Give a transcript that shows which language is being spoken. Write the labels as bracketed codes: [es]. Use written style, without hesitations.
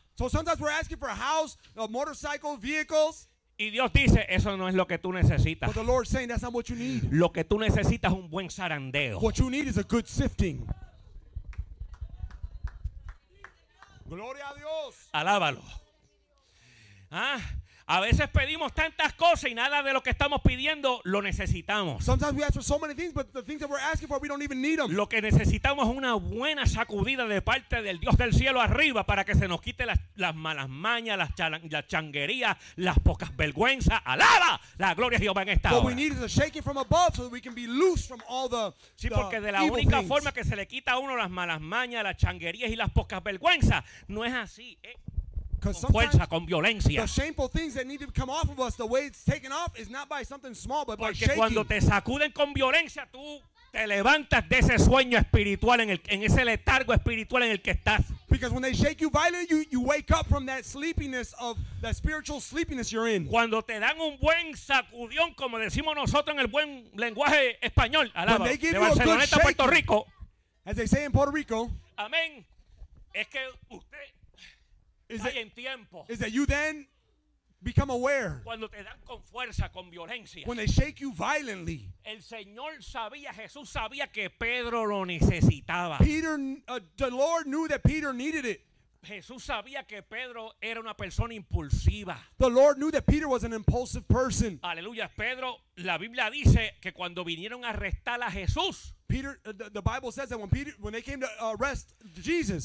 [en] So sometimes we're asking for a house, a motorcycle, vehicles. [es] Y Dios dice, eso no es lo que tú necesitas. [en] But the Lord's saying, that's not what you need. [es] Lo que tú necesitas es un buen zarandeo. [en] What you need is a good sifting. [es] Gloria a Dios. Alábalo. ¿Ah? A veces pedimos tantas cosas y nada de lo que estamos pidiendo lo necesitamos. [en] Sometimes we ask for so many things, but the things that we're asking for, we don't even need them. [es] Lo que necesitamos es una buena sacudida de parte del Dios del cielo arriba para que se nos quite las malas mañas, las changuerías, las pocas vergüenzas. ¡Alaba la gloria de Jehová en esta hora! [en] What we need is a shaking from above so that we can be loose from all the evil things. [es] Sí, porque de la única forma que se le quita a uno las malas mañas, las changuerías y las pocas vergüenzas, no es así, con fuerza, con violencia. [en] The shameful things that need to come off of us, the way it's taken off, is not by something small, but [es] porque [en] by shaking. [es] Porque cuando te sacuden con violencia, tú te levantas de ese sueño espiritual en ese letargo espiritual en el que estás. [en] Because when they shake you violently, you wake up from that sleepiness of that spiritual sleepiness you're in. [es] Cuando te dan un buen sacudión, como decimos nosotros en el buen lenguaje español, alaba, [en] when they give [es] de Barcelona a Puerto Rico, [en] as they say in Puerto Rico, [es] amén, es que usted [en] is that, you then become aware. [es] Cuando te dan con fuerza, con violencia. [en] When they shake you violently. [es] El Señor sabía, Jesús sabía que Pedro lo necesitaba. [en] Peter, the Lord knew that Peter needed it. [es] Jesús sabía que Pedro era una persona impulsiva. [en] The Lord knew that Peter was an impulsive person. [es] Aleluya, Pedro, la Biblia dice que cuando vinieron a arrestar a Jesús. [en] Peter, the Bible says that when they came to arrest Jesus.